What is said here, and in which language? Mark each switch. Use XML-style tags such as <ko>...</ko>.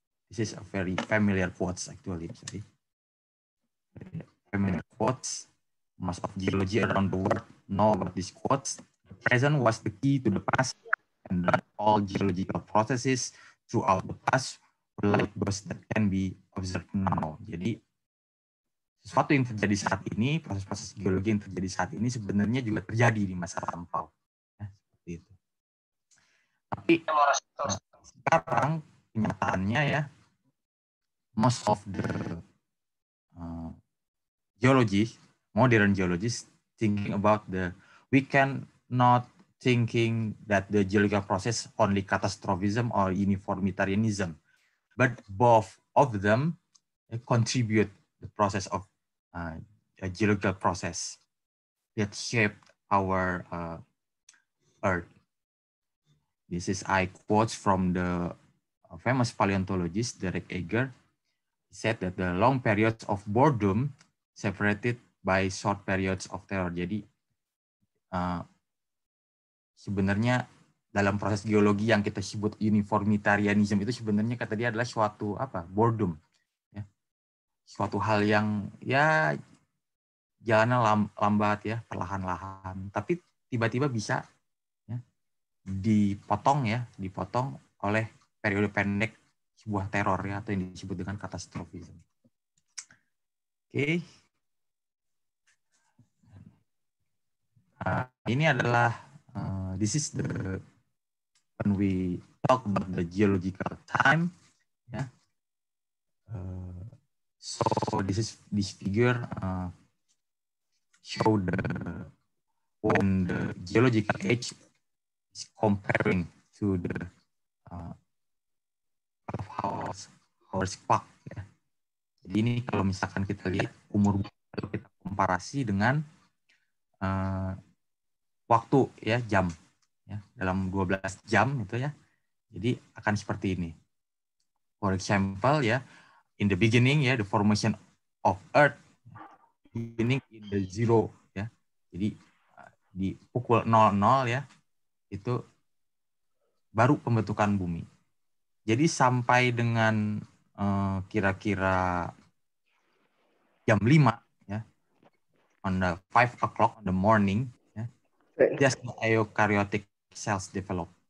<en>This is a very familiar quotes actually. Sorry. Familiar quotes. Most of geology around the world know about these quotes. The present was the key to the past, and that all geological processes throughout the past were like those that can be observed now.</en> <id>Jadi sesuatu yang terjadi saat ini, proses-proses geologi yang terjadi saat ini sebenarnya juga terjadi di masa lampau. Ya, seperti itu. Tapi sekarang kenyataannya ya,</id> <en>most of the geologists, modern geologists, thinking about the, we can not thinking that the geological process only catastrophism or uniformitarianism, but both of them contribute the process of a geological process that shaped our Earth. This is I quote from the famous paleontologist Derek Eger. He said that the long periods of boredom separated by short periods of terror.</en> <id>Jadi sebenarnya dalam proses geologi yang kita sebut uniformitarianism itu sebenarnya kata dia adalah suatu apa? Boredom. Suatu hal yang ya jalannya lambat ya, perlahan-lahan, tapi tiba-tiba bisa ya, dipotong oleh periode pendek sebuah teror ya, atau yang disebut dengan katastrofisme. Oke. Nah, ini adalah</id> <en>this is the when we talk about the geological time ya. Yeah. So this figure show the when the geological age is comparing to the hours clock. Yeah.</en> <id>Jadi ini kalau misalkan kita lihat umur kita komparasi dengan waktu ya, jam ya, dalam 12 jam itu ya. Jadi akan seperti ini.</id> <en>For example</en> <id>ya.</id> <en>In the beginning, yeah, the formation of Earth beginning in the zero, yeah.</en> <id>Jadi di pukul 00, yeah, itu baru pembentukan bumi. Jadi sampai dengan kira-kira jam 5,</id> <en>yeah, on the 5 o'clock in the morning, yeah, just the eukaryotic cells develop.</en>